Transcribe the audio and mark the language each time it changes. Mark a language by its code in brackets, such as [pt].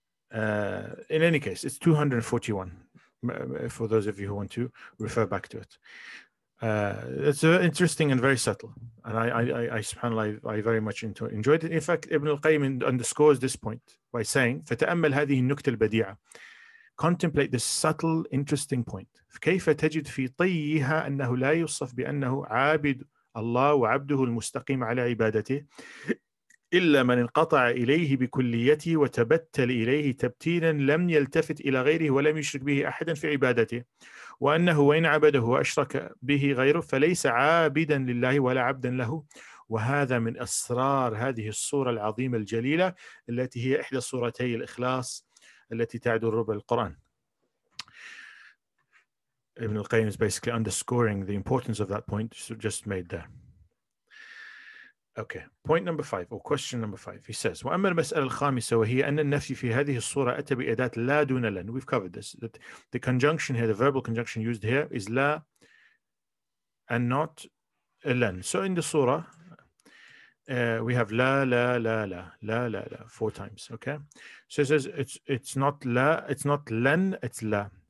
[en] In any case, it's 241, for those of you who want to refer back to it. It's interesting and very subtle, and I subhanAllah, I very much enjoyed it. In fact, Ibn al-Qayyim underscores this point by saying [ar] فَتَأَمَّلْ هَذِهِ النُّكْتَ الْبَدِيعَ, [en] contemplate this subtle, interesting point. [ar] كَيْفَ تَجِدْ فِي طَيِّهَا أَنَّهُ لَا يُصَّفْ بِأَنَّهُ عَابِدُ اللَّهُ وَعَبْدُهُ الْمُسْتَقِيمُ عَلَى عِبَادَتِهِ إلا من انقطع إليه بكليته وتبتل إليه تبتيلا لم يلتفت إلى غيره ولم يشرك به أحدا في عبادته, وأنه وإن عبده وأشرك به غيره فليس عابدا لله ولا عبدا له. وهذا من أسرار هذه الصورة العظيمة الجليلة التي هي إحدى صورتي الإخلاص التي تعد ربع القرآن. [en] Ibn al-Qayyim is basically underscoring the importance of that point just made there. Okay, point number five, or question number five. He says, [ar] وأما المسألة الخامسة وهي أن النفي في هذه الصورة أتى بأداة لا دون لن. [en] We've covered this, that the conjunction here, the verbal conjunction used here is لا and not لن. So in the surah, We have la la la la la la la 4 times. Okay, so it says it's not la, it's not len, it's la.